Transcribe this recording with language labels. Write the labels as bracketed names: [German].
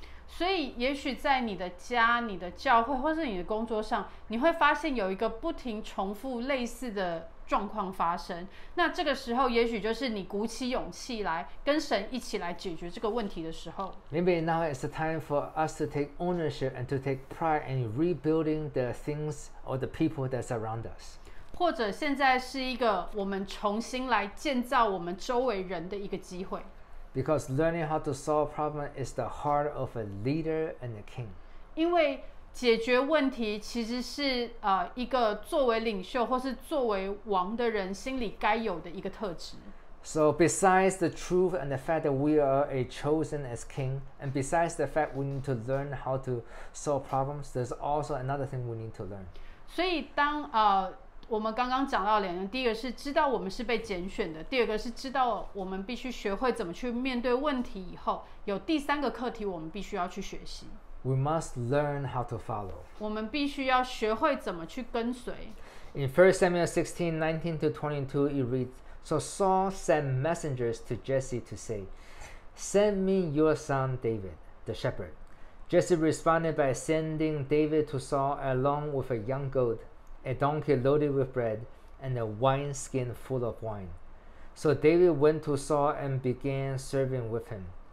[Chinese] 所以也许在你的家、你的教会或是你的工作上，你会发现有一个不停重复类似的状况发生，那这个时候也许就是你鼓起勇气来跟神一起来解决这个问题的时候。 [English] Maybe now is the time for us to take ownership and to take pride in rebuilding the things or the people that's around us. [Chinese] 或者现在是一个我们重新来建造我们周围人的一个机会。 [English] Because learning how to solve problems is the heart of a leader and a king. [Chinese] 因为解决问题其实是一个作为领袖或是作为王的人心里该有的一个特质。 [English] So besides the truth and the fact that we are a chosen as king, and besides the fact we need to learn how to solve problems, there's also another thing we need to learn. [Chinese] 所以当我们刚刚讲到两个，第一个是知道我们是被拣选的，第二个是知道我们必须学会怎么去面对问题以后，有第三个课题我们必须要去学习。 [English] We must learn how to follow. [Chinese] 我们必须要学会怎么去跟随。 [English] In 1 Samuel 16:19-22, it reads, So Saul sent messengers to Jesse to say, Send me your son David, the shepherd. Jesse responded by sending David to Saul along with a young goat, a donkey loaded with bread, and a wineskin full of wine. So David went to Saul and began serving with him.